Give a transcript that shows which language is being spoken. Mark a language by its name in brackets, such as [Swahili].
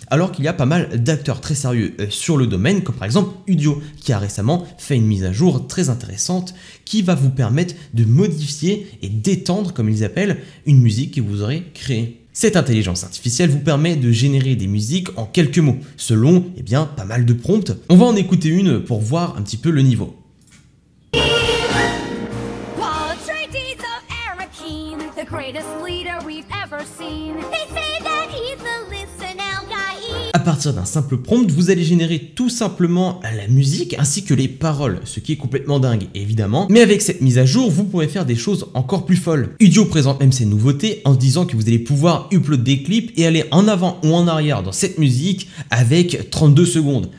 [French] Alors qu'il y a pas mal d'acteurs très sérieux sur le domaine, comme par exemple Udio, qui a récemment fait une mise à jour très intéressante qui va vous permettre de modifier et d'étendre, comme ils appellent, une musique que vous aurez créée. Cette intelligence artificielle vous permet de générer des musiques en quelques mots, selon, eh bien, pas mal de prompts. On va en écouter une pour voir un petit peu le niveau. [English] Paul Atreides of Arakeen, the greatest leader we've ever seen. They say that he's the listen Al-Gaïe. [French] À partir d'un simple prompt, vous allez générer tout simplement la musique ainsi que les paroles, ce qui est complètement dingue évidemment. Mais avec cette mise à jour, vous pourrez faire des choses encore plus folles. Udio présente même ses nouveautés en disant que vous allez pouvoir upload des clips et aller en avant ou en arrière dans cette musique avec 32 secondes.